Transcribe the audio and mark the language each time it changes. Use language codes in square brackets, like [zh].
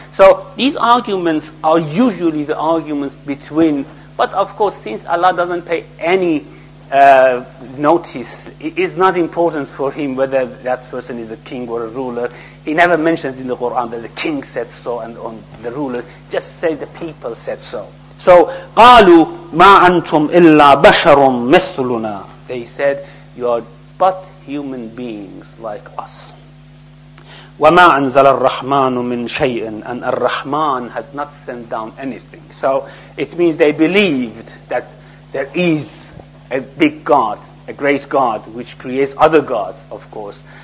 [en] So these arguments are usually the arguments between, but of course, since Allah doesn't pay any notice, it is not important for him whether that person is a king or a ruler. He never mentions in the Quran that the king said so and on the ruler, just say the people said so. So [ar] قالوا ما أنتم إلا بشر مثلنا. [en] They said, you are but human beings like us. [ar] وَمَا أَنزَلَ الرَّحْمَانُ مِنْ شَيْءٍ. [en] And الرَّحْمَان has not sent down anything. So it means they believed that there is a big God, a great God, which creates other gods, of course.